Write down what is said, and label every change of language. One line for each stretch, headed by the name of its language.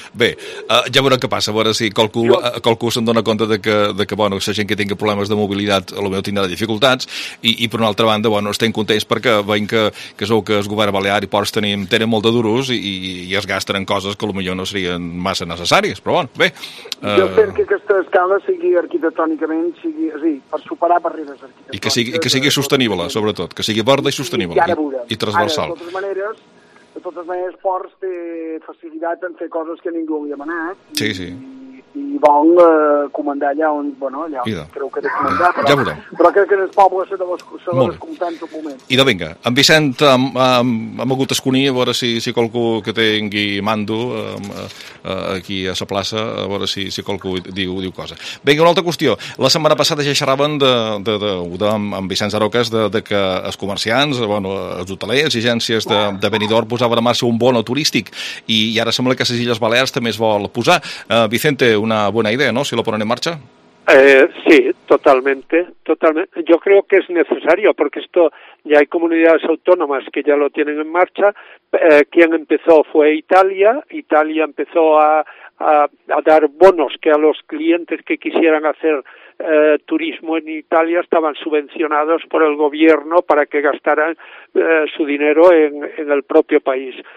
Catalan: Bé, ja veurem què passa, a veure si qualcú se'n dona compte de que bueno, la gent que tingui problemes de mobilitat potser tindrà dificultats, i per una altra banda, bueno, estem contents perquè veiem que sou que el govern balear i ports tenen molt de duros i es gasten en coses que potser no serien massa necessàries, però bueno, bé. Jo crec que aquesta escala sigui arquitectònicament, sigui, és a dir, per superar barreres arquitectòniques. I que sigui sostenible, sobretot, que sigui verda i sostenible. I transversal. Ara, de totes maneres, Ports té facilitat en fer coses que ningú li ha demanat. Sí, sí. I vol comandar allà on... Bueno, allà on creu que ha de comandar. Ja veurem. Però crec que en el poble se l'ha d'escomptar en tot moment. Idò, vinga. En Vicent ha hagut d'esconir, a veure si qualcú que tingui mando aquí a la plaça, a veure si qualcú diu cosa. Vinga, una altra qüestió. La setmana passada ja xerraven amb Vicent Zaroques de que els comerciants, bueno, els hotelers i agències de Benidorm posaven a marxa un bono turístic i ara sembla que les Illes Balears també es vol posar.
Spanish: Vicent, una buena idea, ¿no?, si lo ponen en marcha. Sí, totalmente. Yo creo que es necesario porque esto, ya hay comunidades autónomas que ya lo tienen en marcha. Quien empezó fue Italia. Italia empezó a dar bonos que a los clientes que quisieran hacer turismo en Italia estaban subvencionados por el gobierno para que gastaran su dinero en el propio país.